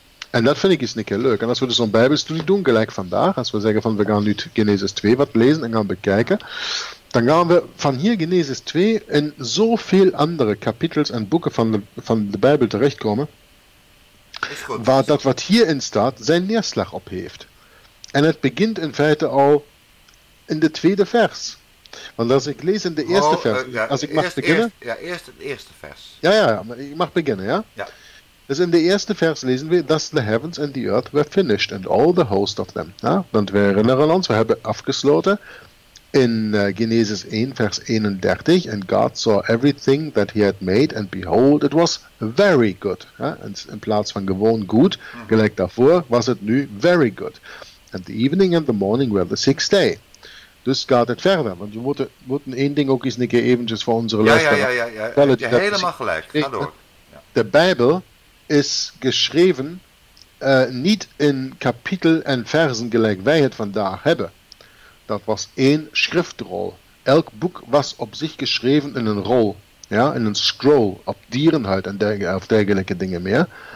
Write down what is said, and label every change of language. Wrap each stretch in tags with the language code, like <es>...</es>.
<nl>En dat vind ik eens een keer leuk. En als we dus zo'n Bijbelstudie doen, gelijk vandaag, als we zeggen van we gaan nu Genesis 2 wat lezen en gaan bekijken, dan gaan we van hier Genesis 2 in zoveel andere kapitels en boeken van de Bijbel terechtkomen, waar dat wat hierin staat zijn neerslag op heeft. En het begint in feite al in de tweede vers. Want als ik lees in de eerste vers, als ik mag beginnen. Eerst het eerste vers. Ja, ik mag beginnen, ja? Ja. Dus in de eerste vers lezen we:</nl> <en>Thus the heavens and the earth were finished, and all the host of them.</en> <nl>Ja? Want we herinneren ons, we hebben afgesloten in Genesis 1, vers 31.</nl> <en>And God saw everything that he had made, and behold, it was very good.</en> <nl>Ja? In plaats van gewoon goed, gelijk daarvoor, was het nu</nl> <en>very good. And the evening and the morning were the sixth day.</en> <nl>Dus gaat het verder, want we moeten één ding ook eens een keer eventjes voor onze luisteraars. Ja. Heb je helemaal gelijk, ga door. De Bijbel is geschreven niet in kapitel en versen gelijk wij het vandaag hebben. Dat was één schriftrol. Elk boek was op zich geschreven in een rol, ja, in een scroll, op dierenhuid en dergelijke dingen meer.</nl>